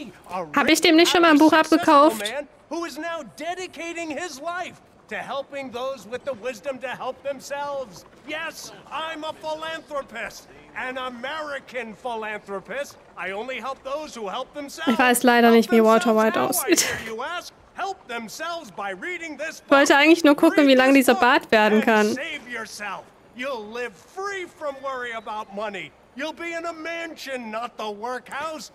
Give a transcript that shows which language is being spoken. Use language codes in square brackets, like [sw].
[de] Habe ich dem nicht schon mal ein Buch abgekauft? [en] Who is now dedicating his life to helping those with the wisdom to help themselves? Yes, I'm a philanthropist, an American philanthropist. I only help those who help themselves. [de] Ich weiß leider nicht, wie Walter White aussieht. [en] Help themselves by reading this book. [de] Wollte eigentlich nur gucken, wie lang dieser Bart werden kann. [en] Save yourself. You'll live free from worry about money. You'll be in a mansion, not the workhouse.